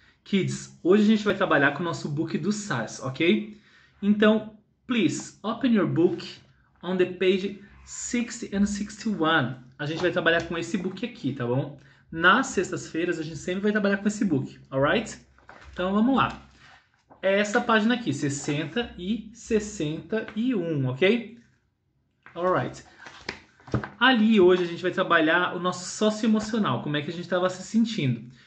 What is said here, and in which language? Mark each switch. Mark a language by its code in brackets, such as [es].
[pt] Kids, hoje a gente vai trabalhar com o nosso book do SARS, ok? Então, [en] please open your book on the page 60 and 61. [pt] A gente vai trabalhar com esse book aqui, tá bom? Nas sextas-feiras a gente sempre vai trabalhar com esse book, alright? Então vamos lá. É essa página aqui, 60 e 61, ok? Alright. Ali hoje a gente vai trabalhar o nosso socioemocional, como é que a gente estava se sentindo.